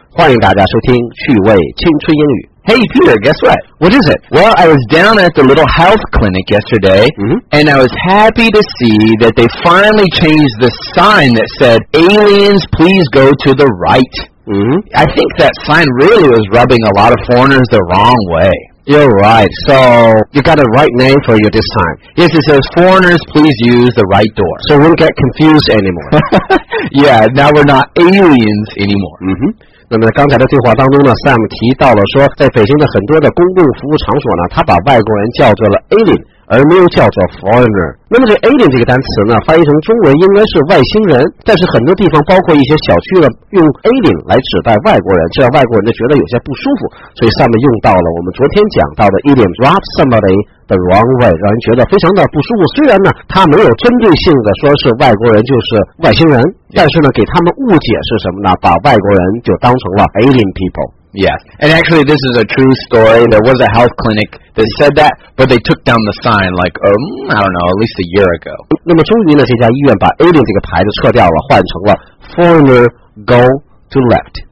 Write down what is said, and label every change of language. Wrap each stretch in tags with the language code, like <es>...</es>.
<zh>欢迎大家收听趣味青春英语。</zh> <en>Hey, Peter, guess what? What is it? Well, I was down at the little health clinic yesterday,、 mm-hmm. and I was happy to see that they finally changed the sign that said, Aliens, please go to the right.、 Mm-hmm. I think that sign really was rubbing a lot of foreigners the wrong way. You're right. So, you got a right name for your this time. Yes, it says, foreigners, please use the right door. So, we don't get confused anymore. Yeah, now we're not aliens anymore.</en> <zh>Mm-hmm. 那么刚才的对话当中呢 ，Sam 提到了说，在北京的很多的公共服务场所呢，他把外国人叫做了 alien， 而没有叫做 foreigner。那么这 alien 这个单词呢，翻译成中文应该是外星人，但是很多地方，包括一些小区呢，用 alien 来指代外国人，这让外国人呢觉得有些不舒服，所以 Sam 用到了我们昨天讲到的 idiom</zh> <en>rub somebody the wrong way，</en> <zh>让人觉得非常的不舒服。虽然呢，他没有针对性的说是外国人就是外星人。但是呢给他们误解是什么呢把外国人就当成了</zh> <en>alien people. Yes, and actually this is a true story. There was a health clinic that said that, but they took down the sign like, I don't know, at least a year ago.</en> <zh>那么终于呢这家医院把 alien 这个牌子撤掉了换成了</zh> <en>foreigner go to left.</en>